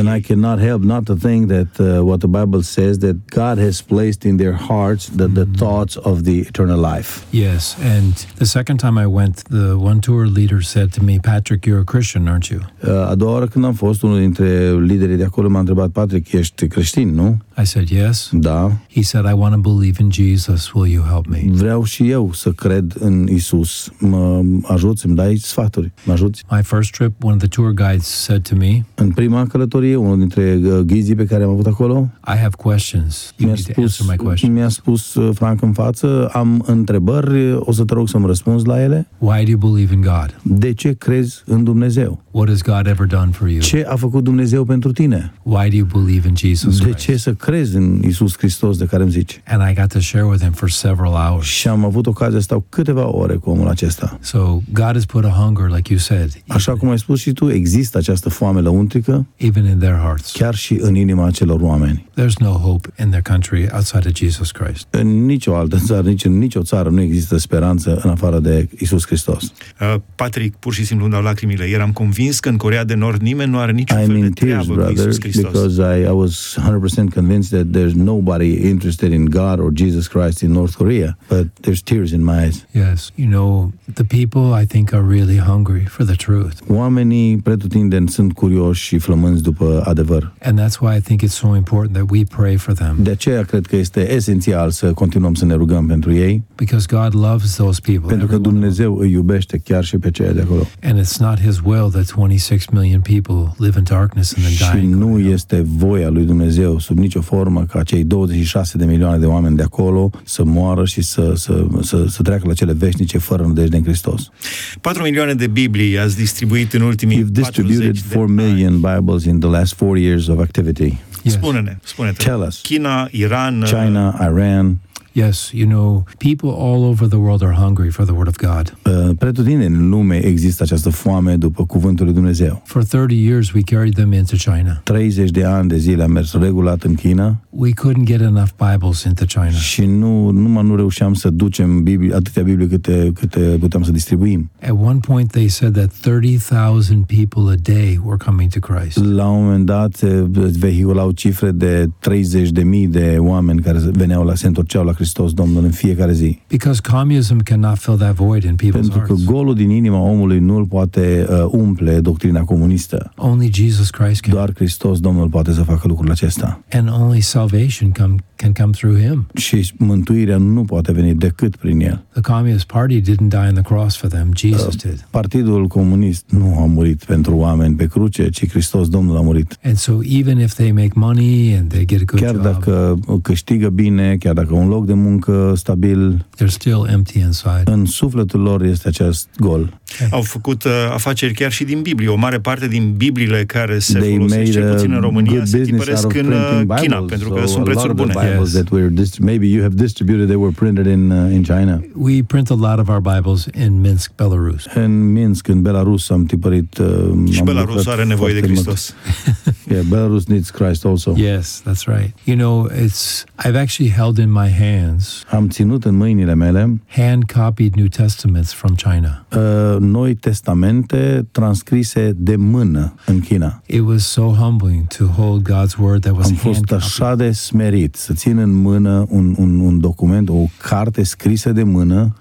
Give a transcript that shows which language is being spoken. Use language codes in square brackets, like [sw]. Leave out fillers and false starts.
[en] And I cannot help not to think that what the Bible says that God has placed in their hearts the thoughts of the eternal life. Yes, and the second time I went, the one tour leader said to me, Patrick, you're a Christian, aren't you? [ro] A doua oară când am fost, unul dintre liderii de acolo m-a întrebat, Patrick, ești creștin, nu? [en] I said, yes. [ro] Da. [en] He said, I want to believe in Jesus, will you help me? [ro] Vreau și eu să cred în Isus. Mă ajuți, îmi dai sfaturi, mă ajuți. [en] My first trip, one of the tour guides said to me. [ro] În prima călătorie, unul dintre ghizii pe care am avut acolo. [en] I have questions. [ro] Mi-a spus franc în față, am întrebări, o să te rog să-mi răspunzi la ele. [en] Why do you believe in God? [ro] De ce crezi în Dumnezeu? [en] What has God ever done for you? [ro] Ce a făcut Dumnezeu pentru tine? [en] Why do you believe in Jesus Christ? [ro] De ce să crezi în Iisus Hristos de care îmi zici? [en] And I got to share with him for several hours. [ro] Și am avut ocazia să stau câteva ore cu omul acesta. [en] So God has put a hunger, like you said. [ro] Așa cum ai spus și tu, există această foame lăuntrică. [en] Even in their hearts. [ro] Chiar și în inima acelor oameni. [en] There's no hope in their country outside of Jesus Christ. [ro] În nicio altă țară, nici în nicio țară nu există speranță în afară de Iisus Hristos. Patrick, pur și simplu îmi dau lacrimile. Eram convins că în Coreea de Nord nimeni nu are niciun fel de treabă cu Iisus Hristos. [en] Because I was 100% convinced that there's nobody interested in God or Jesus Christ in North Korea, but there's tears in my eyes. Yes, you know, the people I think are really hungry for the truth. [ro] Oamenii pretutindeni sunt curioși și flămânzi după adevăr. [en] And that's why I think it's so important that we pray for them. [ro] De aceea cred că este esențial să continuăm să ne rugăm pentru ei. [en] Because God loves those those people. [ro] Pentru că Dumnezeu îi iubește chiar și pe cei de acolo. [en] And it's not his will that 26 million people live in darkness and then die. [ro] Și nu este voia lui Dumnezeu sub nicio formă ca cei 26 de milioane de oameni de acolo să moară și să treacă la cele veșnice fără nădejde în Hristos. 4 milioane de Biblii ați distribuit în ultimii 40 de ani. Yes. Spune-ne. [en] Tell us. China, Iran. China, Iran. Yes, you know, people all over the world are hungry for the word of God. [ro] Pretutindeni în lume există această foame după cuvântul lui Dumnezeu. [en] For 30 years we carried them into China. [ro] 30 de ani de zile am mers regulat în China. [en] We couldn't get enough Bibles into China. [ro] Și nu reușeam să ducem Biblie, atâtea Biblie câte puteam să distribuim. [en] At one point they said that 30,000 people a day were coming to Christ. [ro] La un moment dat vehiculau cifre de 30,000 de oameni care veneau la Sfântul Hristos Domnul în fiecare zi. [en] Because communism cannot fill that void in people's hearts. [ro] Pentru că golul din inima omului nu-l poate umple doctrina comunistă. [en] Only Jesus Christ can. [ro] Doar Hristos Domnul poate să facă lucrul acesta. [en] And only salvation can come through him. [ro] Și mântuirea nu poate veni decât prin el. [en] The communist party didn't die on the cross for them. Jesus did. [ro] Partidul comunist nu a murit pentru oameni pe cruce, ci Hristos Domnul a murit. [en] And so even if they make money and they get a good [ro] chiar dacă câștigă bine, chiar dacă un loc de muncă stabil. [en] They're still empty inside. [ro] În sufletul lor este acest gol. Au făcut afaceri chiar și din Biblie. O mare parte din Bibliile care se folosesc cel puțin în România se tipăresc în China, pentru că sunt prețuri bune. [en] Yes. That were maybe you have distributed, they were printed in China. We print a lot of our Bibles in Minsk, Belarus. [ro] În Minsk, în Belarus, am tipărit... Și Belarus are nevoie de Hristos. [en] Yeah, Belarus needs Christ also. Yes, that's right. You know, I've actually held in my hands. [ro] Am ținut în mâinile mele [en] hand copied New Testaments from China. [ro] Noi testamente transcrise de mână în China. [en] It was so humbling to hold God's word that was hand-copied. [ro] Am fost așa de smerit să țin în mână un document, o carte scrisă de mână.